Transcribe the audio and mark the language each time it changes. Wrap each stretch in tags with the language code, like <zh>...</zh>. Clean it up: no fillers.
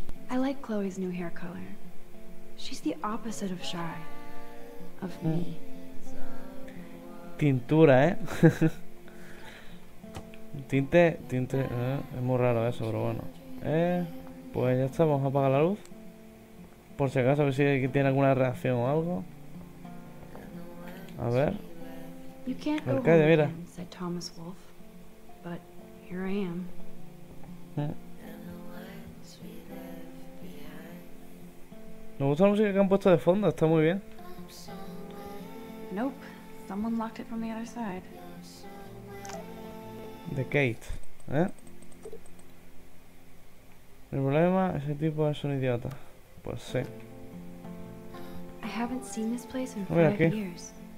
<en>I like Chloe's new hair color. She's the opposite of shy. Of me.</en> <es>Tintura, Tinte, es muy raro eso, pero bueno. Pues ya está, vamos a apagar la luz. Por si acaso, a ver si tiene alguna reacción o algo. A ver.</es> <en>You can't go home again, said Thomas Wolf. But here I am.</en> <es>Me gusta la música que han puesto de fondo, está muy bien.</es> <en>Nope, someone locked it from the other side. The gate,</en> <es>El problema, ese tipo es un idiota. Pues sí.</es> <en>I haven't seen this place in 5 years.</en>